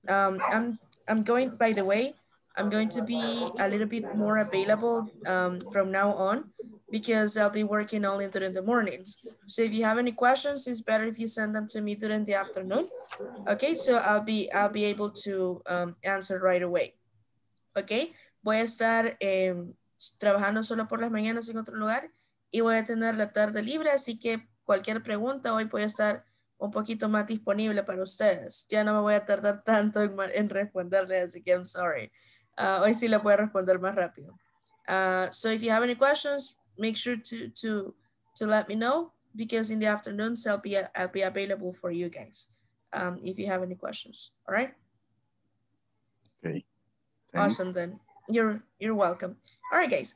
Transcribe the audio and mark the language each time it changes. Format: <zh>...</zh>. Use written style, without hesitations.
<en>I'm going, by the way, I'm going to be a little bit more available from now on, because I'll be working only during the mornings. So if you have any questions, it's better if you send them to me during the afternoon. Okay, so I'll be able to answer right away.</en> <es>Okay, voy a estar trabajando solo por las mañanas en otro lugar y voy a tener la tarde libre, así que cualquier pregunta hoy voy a estar un poquito más disponible para ustedes. Ya no me voy a tardar tanto en responderle, así que</es> <en>I'm sorry.</en> <es>Hoy sí la voy a responder más rápido.</es> <en>So if you have any questions, make sure to let me know, because in the afternoons I'll be available for you guys if you have any questions. All right. Okay. Thanks. Awesome then. You're welcome. All right, guys.</en>